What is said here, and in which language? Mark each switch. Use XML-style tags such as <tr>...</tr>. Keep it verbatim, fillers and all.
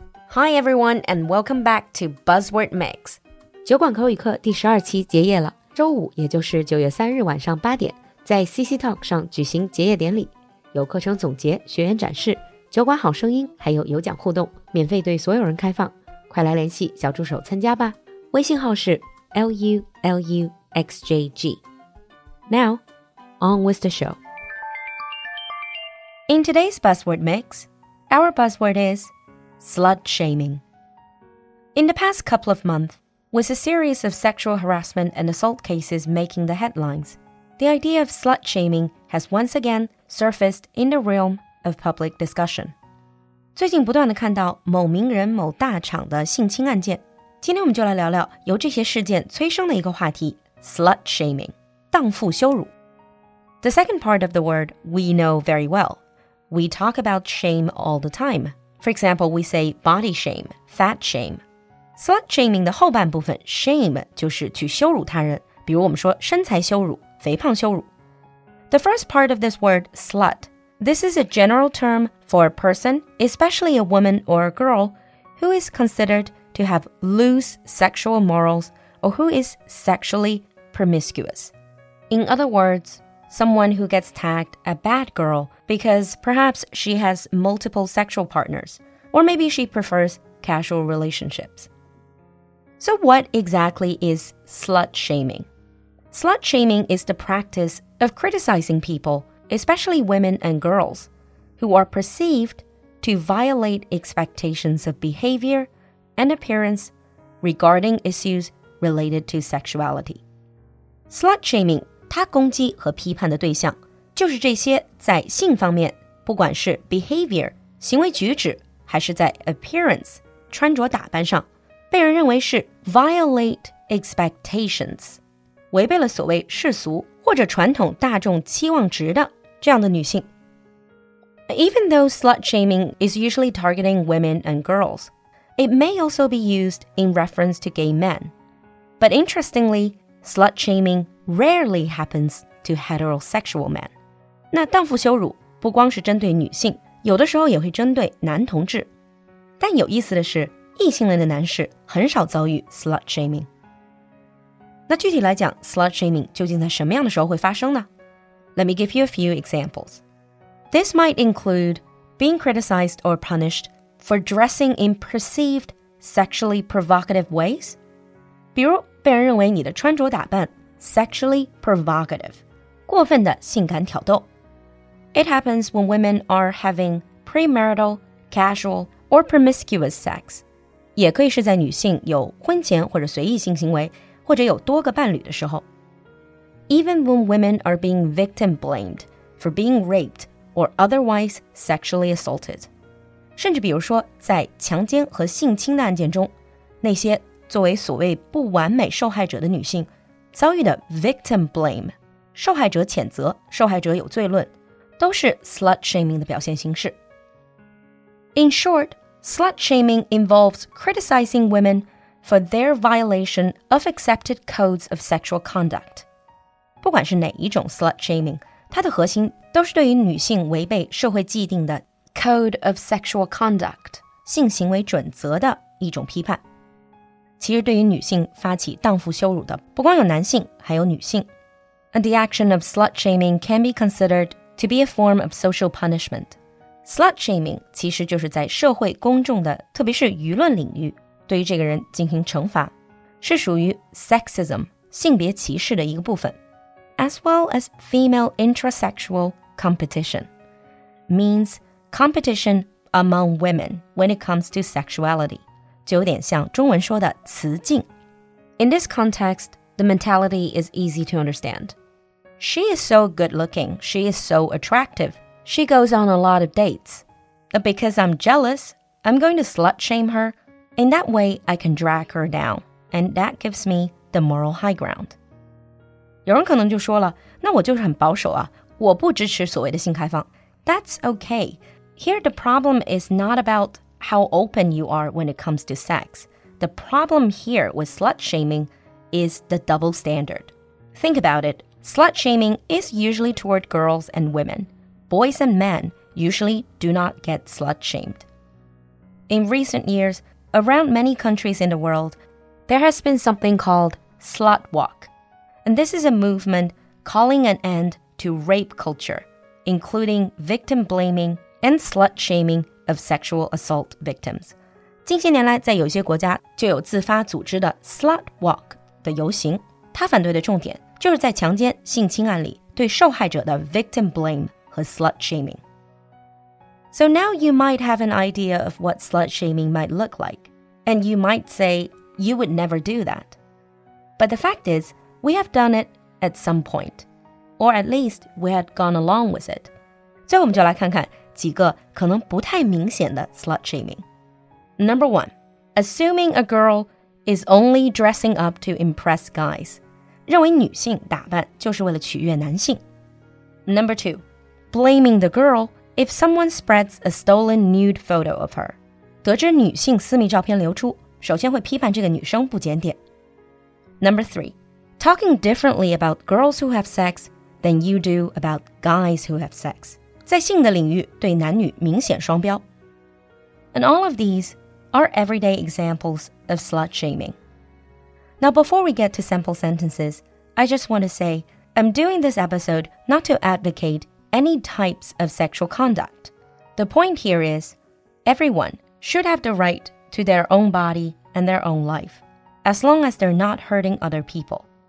<en>Hi everyone and welcome back to Buzzword Mix.</en> <zh>酒馆口语课第十二期结业了，周五也就是九月三日晚上八点，在 C C Talk 上举行结业典礼，有课程总结、学员展示、酒馆好声音，还有有奖互动，免费对所有人开放，快来联系小助手参加吧。微信号是 L U L U X J G.</zh> <en>Now, on with the show. In today's Buzzword Mix, our buzzword is slut shaming. In the past couple of months, with a series of sexual harassment and assault cases making the headlines, the idea of slut shaming has once again surfaced in the realm of public discussion.</en> <zh>最近不断地看到某名人某大厂的性侵案件，今天我们就来聊聊由这些事件催生的一个话题 slut shaming, 荡妇羞辱。</zh> <en>The second part of the word we know very well. We talk about shame all the time. For example, we say body shame, fat shame.</en> <zh>Slut shaming 的后半部分 shame 就是去羞辱他人，比如我们说身材羞辱、肥胖羞辱。</zh> <en>The first part of this word, slut, this is a general term for a person, especially a woman or a girl, who is considered to have loose sexual morals or who is sexually promiscuous. In other words,Someone who gets tagged a bad girl because perhaps she has multiple sexual partners, or maybe she prefers casual relationships. So what exactly is slut shaming? Slut shaming is the practice of criticizing people, especially women and girls, who are perceived to violate expectations of behavior and appearance regarding issues related to sexuality.</en> <zh>Slut shaming他攻击和批判的对象就是这些在性方面，不管是 behavior 行为举止，还是在 appearance 穿着打扮上，被人认为是</zh> <en>violate expectations</en> <zh>违背了所谓世俗或者传统大众期望值的这样的女性。</zh> <en>Even though slut shaming is usually targeting women and girls, it may also be used in reference to gay men. But interestingly, slut shaming rarely happens to heterosexual men.</en> <zh>那荡妇羞辱不光是针对女性，有的时候也会针对男同志。但有意思的是，异性恋的男士很少遭遇 slut shaming。那具体来讲 slut shaming 究竟在什么样的时候会发生呢？</zh> <en>Let me give you a few examples. This might include being criticized or punished for dressing in perceived sexually provocative ways.</en> <zh>比如被人认为你的穿着打扮</zh> <en>sexually provocative,</en> <zh>过分的性感挑逗。</zh> <en>It happens when women are having premarital, casual, or promiscuous sex.</en> <zh>也可以是在女性有婚前或者随意性行为，或者有多个伴侣的时候。</zh> <en>Even when women are being victim blamed for being raped or otherwise sexually assaulted.</en> <zh>甚至比如说在强奸和性侵的案件中，那些作为所谓不完美受害者的女性遭遇的 victim blame 受害者谴责、受害者有罪论都是 slut shaming 的表现形式。</zh> <en>In short, slut shaming involves criticizing women for their violation of accepted codes of sexual conduct.</en> <zh>不管是哪一种 slut shaming, 它的核心都是对于女性违背社会既定的</zh> <en>code of sexual conduct,</en> <zh>性行为准则的一种批判。其实对于女性发起荡妇羞辱的不光有男性，还有女性。</zh> <en>And the action of slut shaming can be considered to be a form of social punishment.</en> <zh>Slut shaming 其实就是在社会公众的，特别是舆论领域，对于这个人进行惩罚，是属于 sexism 性别歧视的一个部分。</zh> <en>As well as female intrasexual competition means competition among women when it comes to sexuality.</en> <zh>就有点像中文说的雌竞。</zh> <en>In this context, the mentality is easy to understand. She is so good looking, she is so attractive, she goes on a lot of dates. But because I'm jealous, I'm going to slut shame her. In that way, I can drag her down, and that gives me the moral high ground.</en> <zh>有人可能就说了，那我就是很保守啊，我不支持所谓的性开放。</zh> <en>That's okay. Here the problem is not about how open you are when it comes to sex. The problem here with slut shaming is the double standard. Think about it. Slut shaming is usually toward girls and women. Boys and men usually do not get slut shamed. In recent years, around many countries in the world, there has been something called slut walk. And this is a movement calling an end to rape culture, including victim blaming and slut shaming of sexual assault victims.</en> <zh>近些年来，在有些国家就有自发组织的 slut walk 的游行。它反对的重点就是在强奸、性侵案里对受害者的 victim blame 和 slut shaming.</zh> <en>So now you might have an idea of what slut shaming might look like, and you might say you would never do that. But the fact is, we have done it at some point, or at least we had gone along with it.</en> <zh>所以我们就来看看几个可能不太明显的 slut shaming.</zh> <en>Number one, assuming a girl is only dressing up to impress guys.</en> <zh>认为女性打扮就是为了取悦男性。</zh> <en>Number two, blaming the girl if someone spreads a stolen nude photo of her.</en> <zh>得知女性私密照片流出，首先会批判这个女生不检点。</zh> <en>Number three, talking differently about girls who have sex than you do about guys who have sex.</en> <zh>在性的领域对男女明显双标。</zh> <en>And all of these... are everyday examples of slut shaming. Now, before we get to sample sentences, I just want to say I'm doing this episode not to advocate any types of sexual conduct. The point here is everyone should have the right to their own body and their own life, as long as they're not hurting other people.</en>